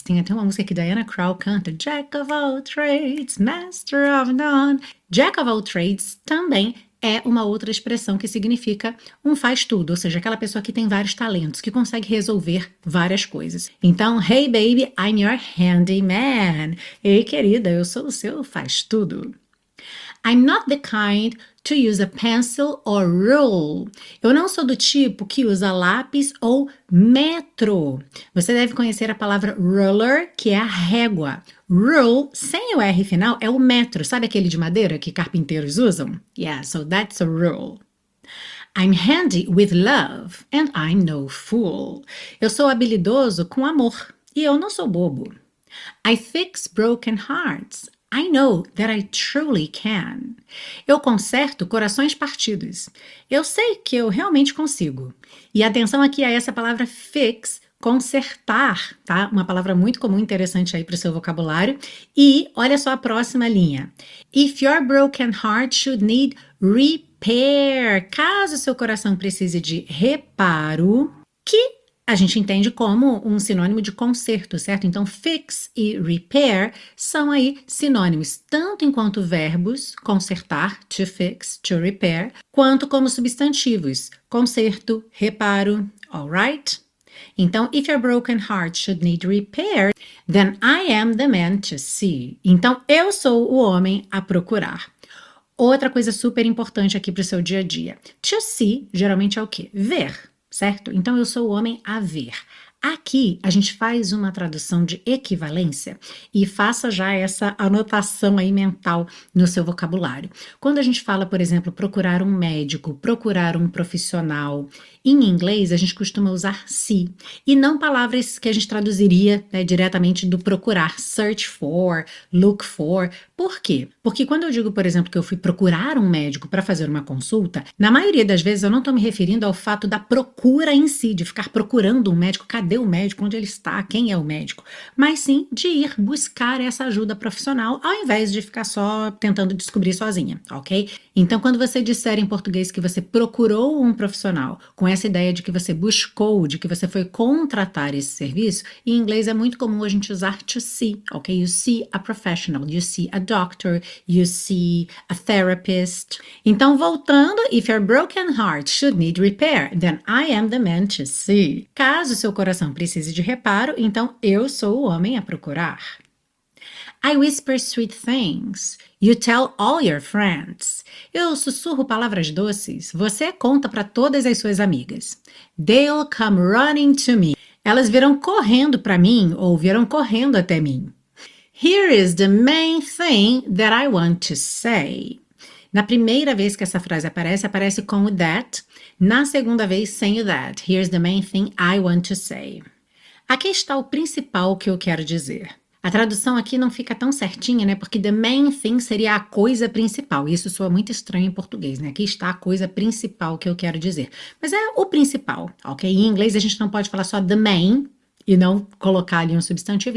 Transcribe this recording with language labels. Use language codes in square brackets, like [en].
[pt] Tem até uma música que Diana Krall canta: Jack of All Trades, Master of None. Jack of All Trades também é uma outra expressão que significa um faz-tudo, ou seja, aquela pessoa que tem vários talentos, que consegue resolver várias coisas. Então, [en] hey baby, I'm your handyman. [pt] Ei, querida, eu sou o seu faz-tudo. [en] I'm not the kind to use a pencil or rule. [pt] Eu não sou do tipo que usa lápis ou metro. Você deve conhecer a palavra ruler, que é a régua. Rule, sem o R final, é o metro. Sabe aquele de madeira que carpinteiros usam? [en] Yeah, so that's a rule. I'm handy with love and I'm no fool. [pt] Eu sou habilidoso com amor e eu não sou bobo. [en] I fix broken hearts. I know that I truly can. [pt] Eu conserto corações partidos. Eu sei que eu realmente consigo. E atenção aqui a essa palavra fix, consertar, tá? Uma palavra muito comum, interessante aí para o seu vocabulário. E olha só a próxima linha. [en] If your broken heart should need repair, [pt] caso seu coração precise de reparo, que a gente entende como um sinônimo de conserto, certo? Então, fix e repair são aí sinônimos, tanto enquanto verbos, consertar, to fix, to repair, quanto como substantivos, conserto, reparo, alright? [en] Então, if your broken heart should need repair, then I am the man to see. [pt] Então, eu sou o homem a procurar. Outra coisa super importante aqui para o seu dia a dia. To see geralmente é o quê? Ver. Certo? Então eu sou o homem a ver. Aqui a gente faz uma tradução de equivalência e faça já essa anotação aí mental no seu vocabulário. Quando a gente fala, por exemplo, procurar um médico, procurar um profissional, em inglês a gente costuma usar see e não palavras que a gente traduziria, né, diretamente do procurar, search for, look for. Por quê? Porque quando eu digo, por exemplo, que eu fui procurar um médico para fazer uma consulta, na maioria das vezes eu não estou me referindo ao fato da procura em si, de ficar procurando um médico, cadê o médico, onde ele está, quem é o médico, mas sim de ir buscar essa ajuda profissional ao invés de ficar só tentando descobrir sozinha, ok? Então, quando você disser em português que você procurou um profissional com essa ideia de que você buscou, de que você foi contratar esse serviço, em inglês é muito comum a gente usar to see, ok? [en] You see a professional, you see a doctor, you see a therapist. [pt] Então, voltando, [en] if your broken heart should need repair, then I am the man to see. [pt] Caso seu coração precise de reparo, então eu sou o homem a procurar. [en] I whisper sweet things. You tell all your friends. [pt] Eu sussurro palavras doces. Você conta para todas as suas amigas. [en] They'll come running to me. [pt] Elas virão correndo para mim ou virão correndo até mim. [en] Here is the main thing that I want to say. [pt] Na primeira vez que essa frase aparece, aparece com o that. Na segunda vez, sem o that. [en] Here's the main thing I want to say. [pt] Aqui está o principal que eu quero dizer. A tradução aqui não fica tão certinha, né? Porque the main thing seria a coisa principal. Isso soa muito estranho em português, né? Aqui está a coisa principal que eu quero dizer. Mas é o principal, ok? Em inglês a gente não pode falar só the main e não colocar ali um substantivo.